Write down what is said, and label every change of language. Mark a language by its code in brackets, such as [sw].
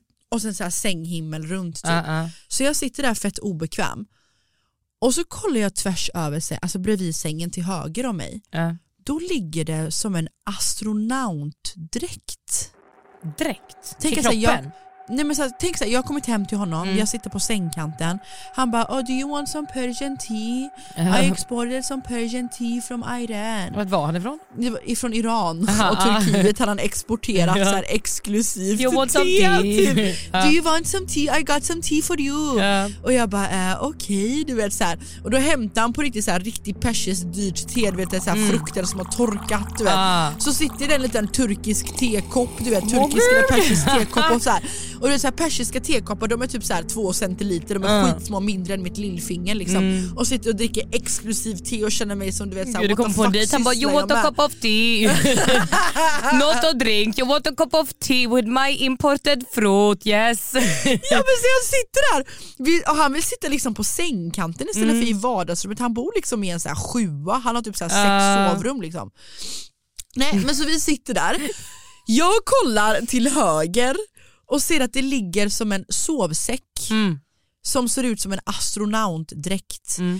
[sv] Och sen så här sänghimmel runt typ. Så jag sitter där fett obekväm. Och så kollar jag tvärs över sängen, alltså bredvid sängen till höger om mig. Då ligger det som en astronautdräkt. Dräkt? Till kroppen? Så här, nej, men så här, tänk så här, jag har kommit hem till honom, jag sitter på sängkanten. Han bara, [en] oh, do you want some Persian tea? I exported some Persian tea from Iran. [sv] Vad var han ifrån? Det var ifrån Iran och Turkiet hade han exporterat så här exklusivt. [en] You want some tea? Do you want some tea? I got some tea for you. [sv] Och jag bara, okej, okay, du vet så här. Och då hämtar han på riktigt så här riktigt persiskt dyrt te, du vet, så här frukter som har torkat, du vet. Så sitter det en liten turkisk tekopp, du vet, turkisk eller persisk tekopp och så här. Och det är så här, persiska tekoppar, de är typ så här 2 centiliter, de är skitsmå, mindre än mitt lillfinger liksom. Och sitter och dricker exklusiv te och känner mig som, du vet, så här, du kom på dit, han bara, [en] you want a cup of tea? Not a drink, you want a cup of tea with my imported fruit, yes. [sv] Ja, men så jag sitter där, och han vill sitta liksom på sängkanten istället för i vardagsrummet. Han bor liksom i en så här sjua, han har typ så här 6 sovrum liksom. Nej, men så vi sitter där, jag kollar till höger och ser att det ligger som en sovsäck som ser ut som en astronautdräkt.